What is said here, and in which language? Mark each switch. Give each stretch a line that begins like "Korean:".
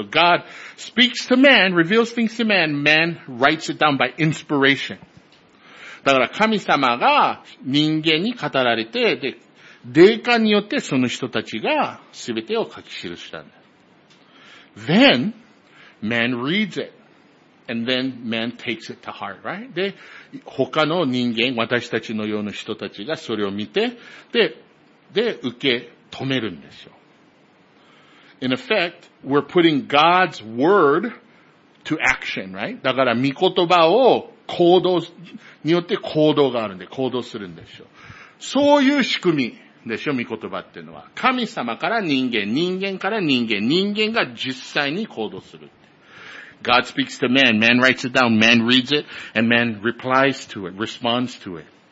English: So God speaks to man, reveals things to man, man writes it down by inspiration.
Japanese: だから神様が人間に語られて、で霊感によってその人たちが全てを書き記したんだ。
English: Then, man reads it. And then, man takes it to heart, right?
Japanese: で、他の人間、私たちのような人たちがそれを見て、で、受け止めるんですよ。
English: In effect, we're putting God's word to action, right?
Japanese: だから、御言葉を行動、によって行動があるんで、行動するんですよ。そういう仕組み。でしょ、御言葉っていうのは。神様から人間、人間から人間、人間が実際に行動するって。
English: God speaks to man, man writes it down, man reads it, and man replies to it, responds to it.